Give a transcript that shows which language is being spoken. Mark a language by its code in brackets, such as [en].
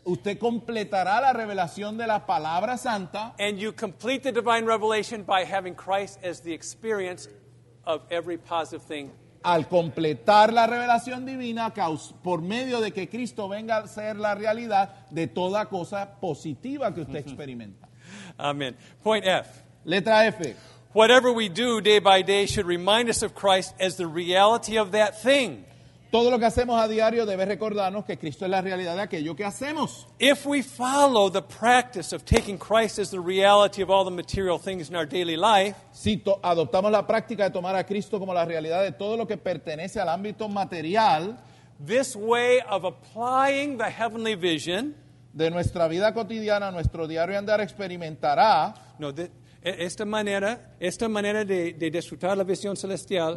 [es] Usted completará la revelación de la palabra santa. [en] And you complete the divine revelation by having Christ as the experience of every positive thing. [es] Al completar la revelación divina, por medio de que Cristo venga a ser la realidad de toda cosa positiva que usted experimenta. [en] Amen. Point F. [es] Letra F. [en] Whatever we do day by day should remind us of Christ as the reality of that thing. [es] Todo lo que hacemos a diario debe recordarnos que Cristo es la realidad de aquello que hacemos. [en] If we follow the practice of taking Christ as the reality of all the material things in our daily life, [es] si adoptamos la práctica de tomar a Cristo como la realidad de todo lo que pertenece al ámbito material, [en] this way of applying the heavenly vision [es] de nuestra vida cotidiana, nuestro diario andar experimentará, no, esta manera de disfrutar la visión celestial,